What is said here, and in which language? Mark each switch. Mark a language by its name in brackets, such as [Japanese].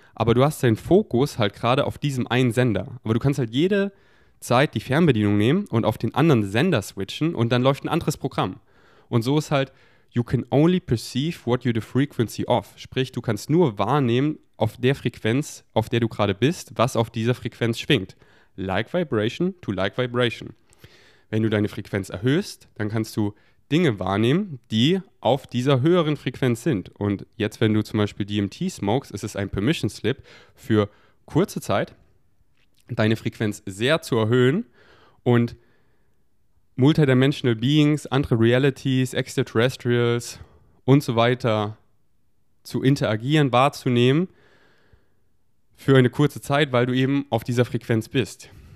[German] Aber du hast deinen Fokus halt gerade auf diesem einen Sender. Aber du kannst halt jede Zeit die Fernbedienung nehmen und auf den anderen Sender switchen und dann läuft ein anderes Programm. Und so ist halt, [English] you can only perceive what you're the frequency of. [German] Sprich, du kannst nur wahrnehmen auf der Frequenz, auf der du gerade bist, was auf dieser Frequenz schwingt. [English] Like vibration to like vibration. [German] Wenn du deine Frequenz erhöhst, dann kannst du Dinge wahrnehmen, die auf dieser höheren Frequenz sind. Und jetzt, wenn du zum Beispiel DMT smokest, ist es ein Permission Slip für kurze Zeit, deine Frequenz sehr zu erhöhen und multidimensional Beings, andere Realities, Extraterrestrials und so weiter zu interagieren, wahrzunehmen für eine kurze Zeit, weil du eben auf dieser Frequenz bist.